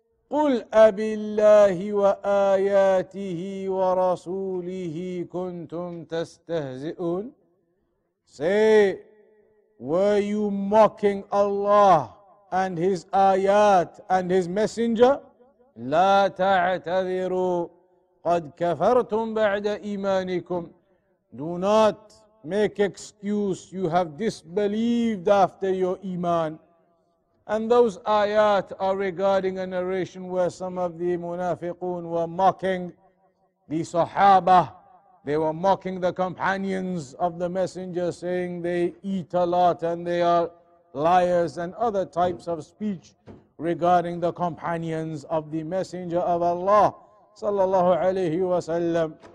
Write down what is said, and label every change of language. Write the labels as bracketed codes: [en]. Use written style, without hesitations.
[ar] قُلْ أَبِاللَّهِ وَآيَاتِهِ وَرَسُولِهِ كُنْتُمْ تَسْتَهْزِئُونَ, [en] Say, were you mocking Allah and His ayat and His messenger? [ar] لا تعتذروا قد كفرتم بعد إيمانكم. [en] Do not make excuse, you have disbelieved after your iman. And those ayat are regarding a narration where some of the munafiqun were mocking the sahaba. They were mocking the companions of the messenger, saying they eat a lot and they are liars, and other types of speech regarding the companions of the messenger of Allah sallallahu alayhi wa sallam.